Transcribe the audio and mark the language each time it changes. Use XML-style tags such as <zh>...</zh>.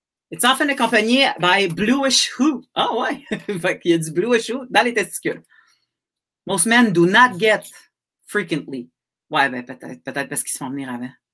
<en>It's often accompanied by bluish hue.</en> <fr>Oh, ouais. Fait qu'il y a du</fr> <en>bluish hue</en> <fr>dans les testicules.</fr> <en>Most men do not get frequently.</en> <fr>Ouais, ben peut-être parce qu'ils se font venir avant.</fr>